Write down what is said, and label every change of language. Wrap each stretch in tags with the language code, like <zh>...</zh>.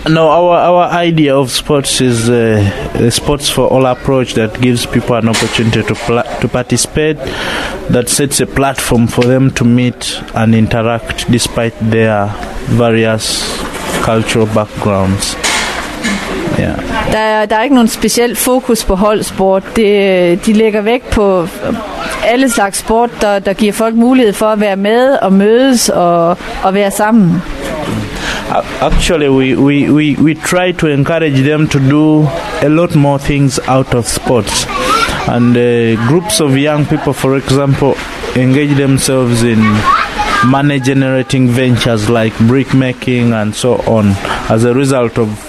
<en>No, our idea of sports is a sports for all approach that gives people an opportunity to participate, that sets a platform for them to meet and interact despite their various cultural backgrounds. Yeah.</en> <da>Der er ikke nogen speciel fokus på holdsport. De lægger vægt på alle slags sport, der giver folk mulighed for at være med og mødes og være sammen.</da> <en>Actually, we try to encourage them to do a lot more things out of sports. And groups of young people, for example, engage themselves in money generating ventures like brick making and so on. As a result of</en>